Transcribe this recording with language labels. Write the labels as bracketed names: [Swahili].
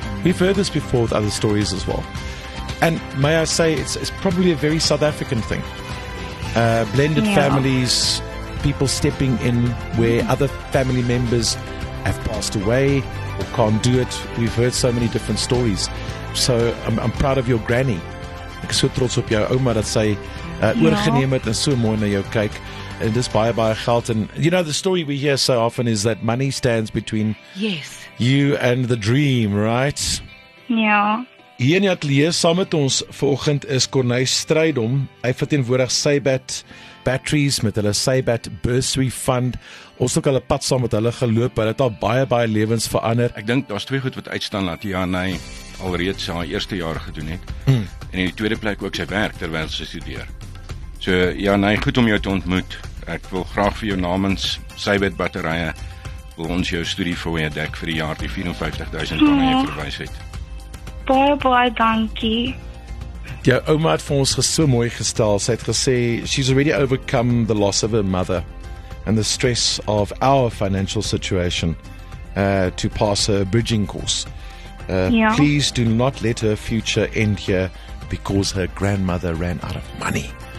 [English] We've heard this before with other stories as well. And may I say, it's probably a very South African thing. Blended families, people stepping in where other family members have passed away or can't do it. We've heard so many different stories. So I'm proud of your granny. [Afrikaans] Ek so trots op jou ouma dat sy oorgeneem het en so mooi na jou kyk. [English] And this buy geld. And you know, the story we hear so often is that money stands between you and the dream, right? Yeah. [Afrikaans] Hier in die ateljee saam met ons vanoggend is Cornel Strydom. Hy verteenwoordig Saybet Batteries met hulle Saybet Bursary Fund. Ons ook hulle pad saam met hulle geloop. Hulle het al baie lewens verander. Ek dink daar's twee goed wat uitstaan dat Janey alreeds haar eerste jaar gedoen het. En in die tweede plek ook sy werk terwyl sy studeer. So, Janey, goed om jou te ontmoet. Ek wil graag vir jou namens Saybet Batterye wil ons jou studie voor jou dek vir die jaar die R54,000 aan jou verwys het. Baie dankie. Jou ouma het vir ons so mooi gestel. Sy het gesê, [English] she's already overcome the loss of her mother and the stress of our financial situation to pass her bridging course. Please do not let her future end here because her grandmother ran out of money.